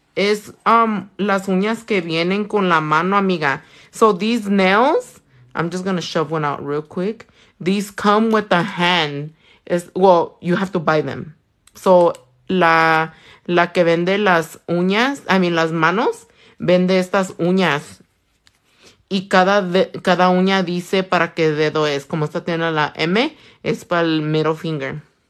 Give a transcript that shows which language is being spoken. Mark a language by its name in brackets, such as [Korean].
[Spanish] Es las uñas que vienen con la mano, amiga. [English] So these nails, I'm just going to shove one out real quick. These come with the hand. You have to buy them. [Spanish] So la que vende las uñas, [English] I mean [Spanish] las manos, vende estas uñas. Y cada uña dice para qué dedo es. Como esta tiene la M, es para el [English] middle finger.